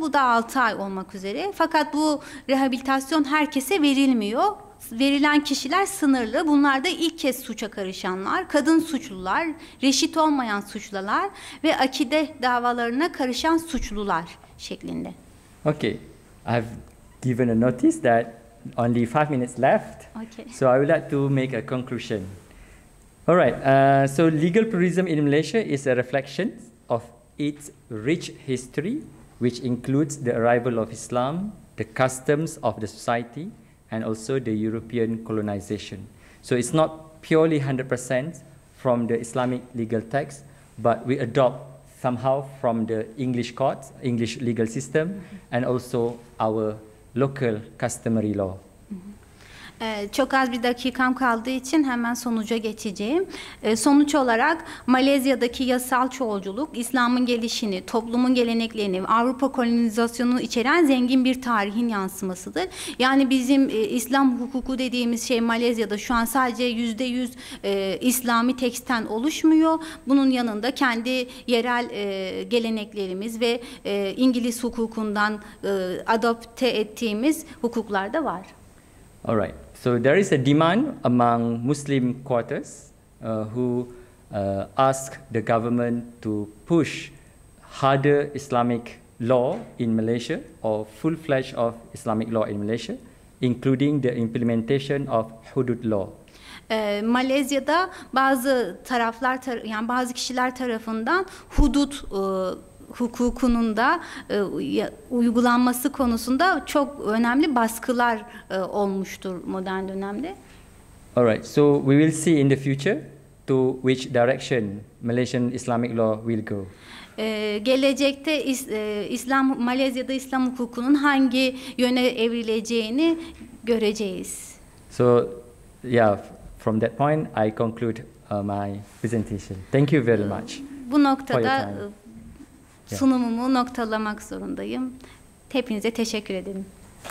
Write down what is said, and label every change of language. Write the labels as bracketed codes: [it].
[tr] Bu da 6 ay olmak üzere. Fakat bu rehabilitasyon herkese verilmiyor. Verilen kişiler sınırlı. Bunlar da ilk kez suça karışanlar, kadın suçlular, reşit olmayan suçlular ve akide davalarına karışan suçlular şeklinde. [en] Okay. I've given a notice that only 5 minutes left. Okay. So I would like to make a conclusion. All right. So legal pluralism in Malaysia is a reflection of its rich history, which includes the arrival of Islam, the customs of the society, and also the European colonization. So it's not purely 100% from the Islamic legal text, but we adopt somehow from the English courts, English legal system, and also our local customary law. [tr] Çok az bir dakikam kaldığı için hemen sonuca geçeceğim. Sonuç olarak Malezya'daki yasal çoğulculuk, İslam'ın gelişini, toplumun geleneklerini, Avrupa kolonizasyonunu içeren zengin bir tarihin yansımasıdır. Yani bizim İslam hukuku dediğimiz şey Malezya'da şu an sadece %100 İslami tekstten oluşmuyor. Bunun yanında kendi yerel geleneklerimiz ve İngiliz hukukundan adapte ettiğimiz hukuklar da var. [en] All right. So there is a demand among Muslim quarters who ask the government to push harder Islamic law in Malaysia or full-fledged of Islamic law in Malaysia, including the implementation of hudud law. [tr] Malezya'da bazı taraflar, yani bazı kişiler tarafından hudud hukukunun da uygulanması konusunda çok önemli baskılar olmuştur modern dönemde. [en] All right, so we will see in the future to which direction Malaysian Islamic law will go. [tr] Gelecekte İslam Malezya'da İslam hukukunun hangi yöne evrileceğini göreceğiz. [en] So yeah, from that point I conclude my presentation. Thank you very much. [tr] Bu noktada sunumumu noktalamak zorundayım. Hepinize teşekkür ederim.